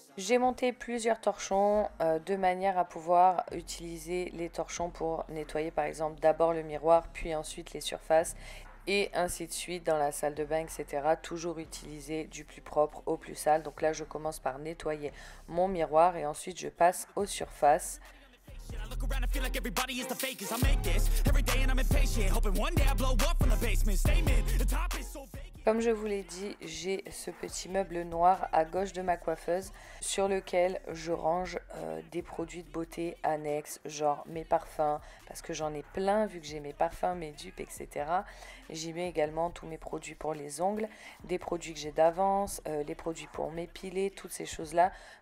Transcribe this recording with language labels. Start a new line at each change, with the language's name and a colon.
French: J'ai monté plusieurs torchons de manière à pouvoir utiliser les torchons pour nettoyer par exemple d'abord le miroir, puis ensuite les surfaces et ainsi de suite dans la salle de bain, etc. Toujours utiliser du plus propre au plus sale. Donc là, je commence par nettoyer mon miroir et ensuite je passe aux surfaces.
English: I look around and feel like everybody is the fakest. I make this every day and I'm impatient, hoping one day I blow up from the basement. Statement, the top is so vacant.
French: Comme je vous l'ai dit, j'ai ce petit meuble noir à gauche de ma coiffeuse sur lequel je range des produits de beauté annexes, genre mes parfums, parce que j'en ai plein vu que j'ai mes parfums, mes dupes, etc. J'y mets également tous mes produits pour les ongles, des produits que j'ai d'avance, les produits pour m'épiler, toutes ces choses-là.